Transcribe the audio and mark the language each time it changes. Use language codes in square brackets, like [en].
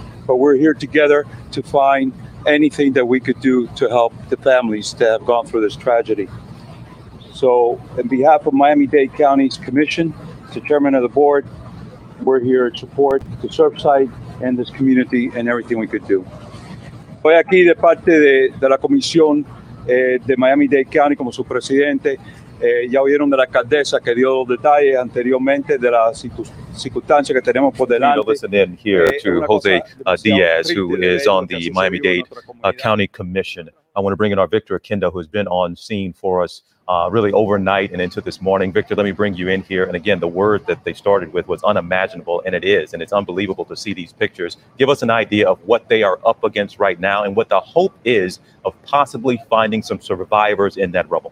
[en] but we're here together to find anything that we could do to help the families that have gone through this tragedy. So on behalf of Miami-Dade County's commission, the chairman of the board, we're here to support the Surfside and this community and everything we could do. [es] Estoy aquí de parte de la comisión de Miami-Dade County como su presidente. Ya oyeron de la alcaldesa que dio detalles anteriormente de la circunstancia que tenemos por delante. [en] We'll listen in here to Jose Diaz, who is on the Miami-Dade County Commission. I want to bring in our Victor Akinda, who has been on scene for us really overnight and into this morning. Victor, let me bring you in here. And again, the word that they started with was unimaginable, and it is. And it's unbelievable to see these pictures. Give us an idea of what they are up against right now and what the hope is of possibly finding some survivors in that rubble.